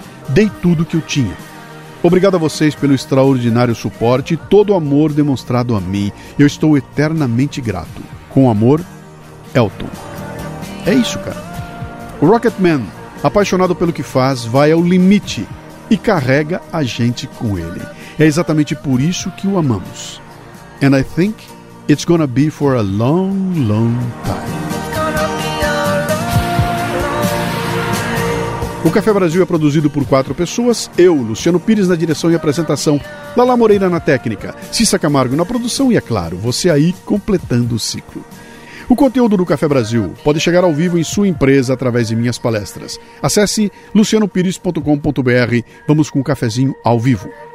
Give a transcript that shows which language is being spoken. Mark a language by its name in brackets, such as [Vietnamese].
[Portuguese] Dei tudo o que eu tinha. Obrigado a vocês pelo extraordinário suporte e todo o amor demonstrado a mim. Eu estou eternamente grato. Com amor, Elton. É isso, cara. O Rocketman, apaixonado pelo que faz, vai ao limite e carrega a gente com ele. É exatamente por isso que o amamos. [English] And I think it's gonna be for a long, long time. [Portuguese] O Café Brasil é produzido por quatro pessoas. Eu, Luciano Pires, na direção e apresentação. Lala Moreira na técnica. Cissa Camargo na produção e, é claro, você aí completando o ciclo. O conteúdo do Café Brasil pode chegar ao vivo em sua empresa através de minhas palestras. Acesse lucianopires.com.br. Vamos com um cafezinho ao vivo.